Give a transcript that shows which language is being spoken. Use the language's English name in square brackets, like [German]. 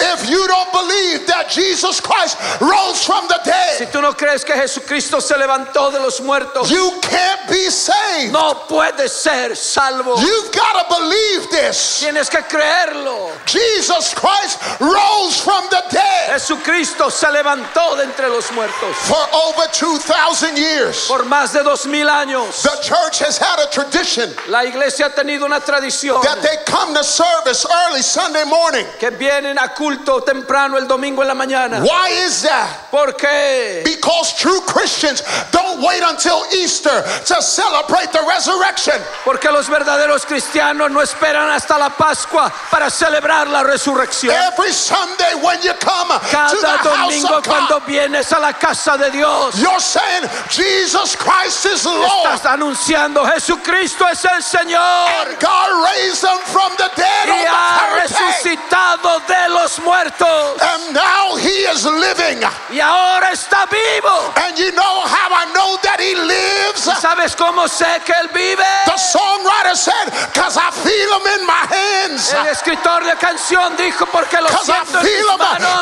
[English] If you don't believe that Jesus Christ rose from the dead. [Spanish] Si tú no crees que Jesucristo se levantó de los muertos. [English] You can't be saved. [Spanish] No puedes ser salvo. [English] You've got to believe this. [Spanish] Tienes que creerlo. [English] Jesus Christ rose from the dead. [Spanish] Jesucristo se levantó de entre los muertos. [English] For over 2,000 years. [Spanish] Por más de 2,000 años. [English] The church has had a tradition. [Spanish] La iglesia ha tenido una tradición. [English] That they come to service early Sunday morning. [Spanish] Que vienen a culto temprano el domingo en la mañana. [English] Why is that? [Spanish] ¿Por qué? [English] Because true Christians don't wait until Easter to celebrate the resurrection. [Spanish] Porque los verdaderos cristianos no esperan hasta la Pascua para celebrar la resurrección. [English] Every Sunday when you come [Spanish] cada [English] to the house of God, [Spanish] cuando vienes a la casa de Dios, [English] you're saying Jesus Christ is Lord. [Spanish] Estás anunciando Jesucristo es el Señor. [English] And God raised him from the dead [Spanish] y [English] on the [Spanish] ha resucitado de los muertos. [English] And now he is living. [Spanish] Y ahora está vivo. [English] And you know how I know that he lives. [Spanish] ¿Sabes cómo sé que él vive? [English] The songwriter said, because I feel him in my hands. [Spanish] El escritor de canciones dijo porque lo siento en mis manos